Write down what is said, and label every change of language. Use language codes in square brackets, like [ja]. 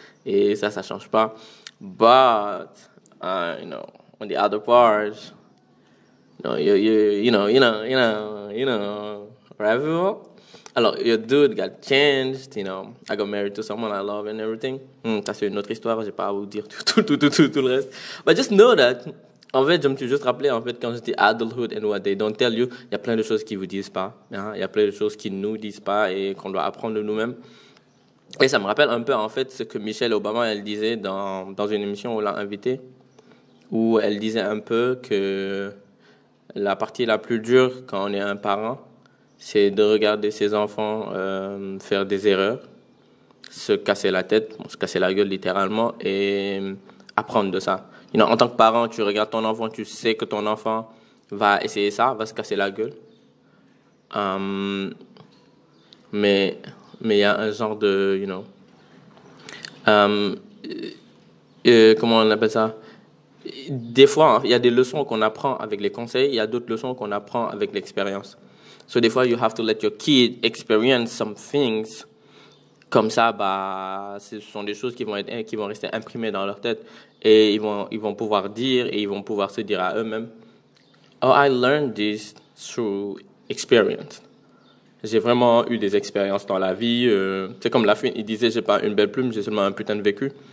[fr] Et ça change pas. [en] But, you know, on the other part... No, you know, rival. Alors, your dude got changed, you know. I got married to someone I love and everything. [fr] Ça, c'est une autre histoire. J'ai pas à vous dire tout le reste. [en] But just know that, [fr] en fait, je me suis juste rappelé, en fait, quand j'étais [en] adulthood and what they don't tell you, [fr] il y a plein de choses qui vous disent pas. Hein? Il y a plein de choses qui nous disent pas et qu'on doit apprendre de nous-mêmes. Et ça me rappelle un peu, en fait, ce que Michelle Obama, elle disait dans une émission où l'a invité, où elle disait un peu que... La partie la plus dure quand on est un parent, c'est de regarder ses enfants faire des erreurs, se casser la tête, se casser la gueule littéralement, et apprendre de ça. [en] You know, [fr] en tant que parent, tu regardes ton enfant, tu sais que ton enfant va essayer ça, va se casser la gueule. Mais il y a un genre de, [en] you know, [fr] comment on appelle ça? Des fois, il y a des leçons qu'on apprend avec les conseils, il y a d'autres leçons qu'on apprend avec l'expérience. So, des fois, [en] you have to let your kid experience some things. [fr] Comme ça, ce sont des choses qui vont rester imprimées dans leur tête. Et ils vont pouvoir dire, et ils vont pouvoir se dire à eux-mêmes, [en] oh, I learned this through experience. [fr] J'ai vraiment eu des expériences dans la vie. C'est comme Lafine, il disait, j'ai pas une belle plume, j'ai seulement un putain de vécu.